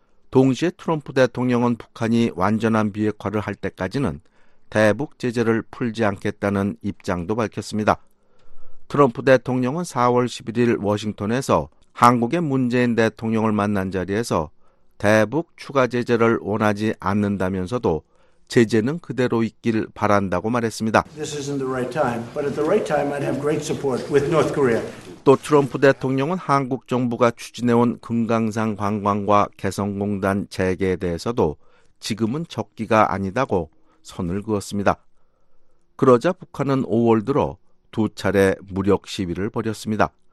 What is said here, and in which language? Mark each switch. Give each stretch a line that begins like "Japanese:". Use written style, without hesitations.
Korean: 동시에 트럼프 대통령은 북한이 완전한 비핵화를 할 때까지는 대북 제재를 풀지 않겠다는 입장도 밝혔습니다. 트럼프 대통령은 4월 11일 워싱턴에서 한국의 문재인 대통령을 만난 자리에서 대북 추가 제재를 원하지 않는다면서도 제재는 그대로 있길 바란다고 말했습니다.
English: This isn't the right time, but at the right time I'd have great support with North Korea.
Korean: 또 트럼프 대통령은 한국 정부가 추진해온 금강산 관광과 개성공단 재개에 대해서도 지금은 적기가 아니다고 선을 그었습니다. 그러자 북한은 5월 들어 두 차례 무력 시위를 벌였습니다.